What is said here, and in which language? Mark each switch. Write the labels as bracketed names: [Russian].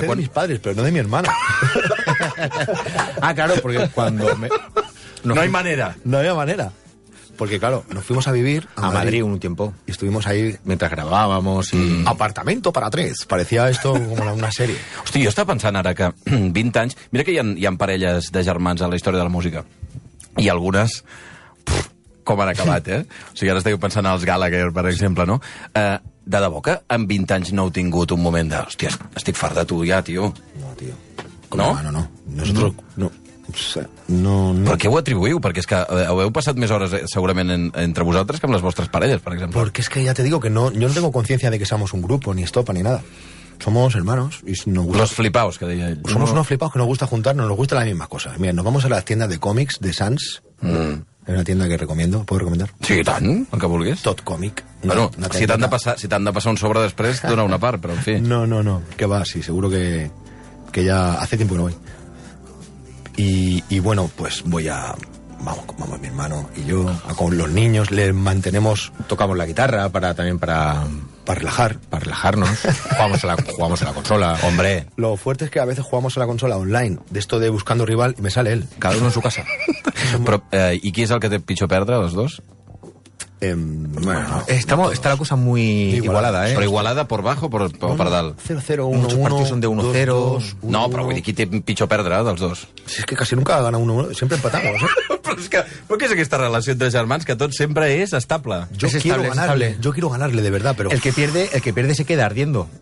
[Spanish] De mis padres, pero no de mi hermana. Ah, claro, porque cuando... No había manera. Porque, claro, nos fuimos a vivir a Madrid un tiempo. Y estuvimos ahí mientras grabábamos y... Apartamento para tres. Parecía esto como una serie. [Catalan] Hosti, jo estava pensant ara que 20 anys... Mira que hi ha parelles de germans a la història de la música. I algunes... com han acabat, eh? O sigui, ara esteu pensant als Gallagher, per exemple, no? De debò que en 20 anys no heu tingut un moment de... Hòstia, estic fart de tu ja, tio. No, tio. No? No. No. Per què ho atribuïu? Perquè és que heu passat més hores segurament entre vosaltres que amb les vostres parelles, per exemple. [Spanish] Porque es que ya te digo que yo no tengo conciencia de que somos un grupo, ni estopa, ni nada. Somos hermanos y nos gusta... Los flipaos, [Catalan] que deia ell. [Spanish] Somos unos flipaos que nos gusta juntarnos, nos gustan las mismas cosas. Mira, nos vamos a las tiendas de cómics de Sants. Es una tienda que recomiendo. ¿Puedo recomendar? [Catalan] Sí, tant, el que vulguis. Tot Còmic. Bueno, si t'han de passar, si t'han de passar un sobre després, dona una part, però en fi. [Spanish] No, no, no, que va, sí, seguro que ya hace tiempo que no voy. Y bueno, pues voy a... Vamos, vamos mi hermano y yo, con los niños, les mantenemos... Tocamos la guitarra para también para... Para relajar. Para relajarnos. Jugamos a la consola, hombre. Lo fuerte es que a veces jugamos a la consola online, de esto de buscando rival, y me sale él. Cada uno en su casa. Pero, ¿y quién es el que te pichó perder, los dos? Bueno, estamos, está la cosa muy igualada, ¿eh? ¿Pero igualada por bajo o por bueno, para dal? 0-0, 1-1. Muchos partidos son de 1-0. No, pero voy a decir que te pichó perder, ¿eh? [Catalan] Dels dos. [Spanish] Si es que casi nunca gana 1-1, siempre empatamos, ¿eh? [Catalan] Però què és aquesta relació entre germans que tot sempre és estable? Jo [Spanish] quiero, quiero ganarle, de verdad, pero... El que pierde se queda ardiendo.